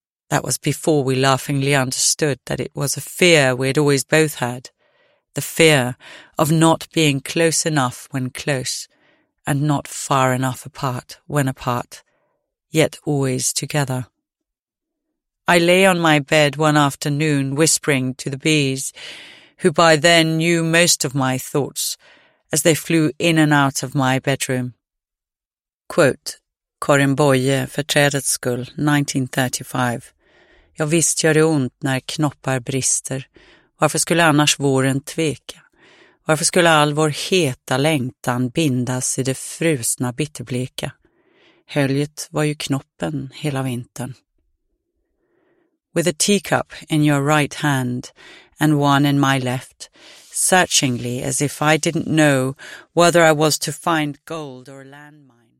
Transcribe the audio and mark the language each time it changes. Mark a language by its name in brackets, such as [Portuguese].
[English] That was before we laughingly understood that it was a fear we had always both had, the fear of not being close enough when close and not far enough apart when apart, yet always together. I lay on my bed one afternoon whispering to the bees, who by then knew most of my thoughts as they flew in and out of my bedroom. [Swedish] Quote, Korimboje för trädets skull, 1935. Jag visst gör det ont när knoppar brister. Varför skulle annars våren tveka? Varför skulle all vår heta längtan bindas i det frusna bitterbleka? Höljet var ju knoppen hela vintern. [English] With a teacup in your right hand and one in my left, searchingly as if I didn't know whether I was to find gold or landmine.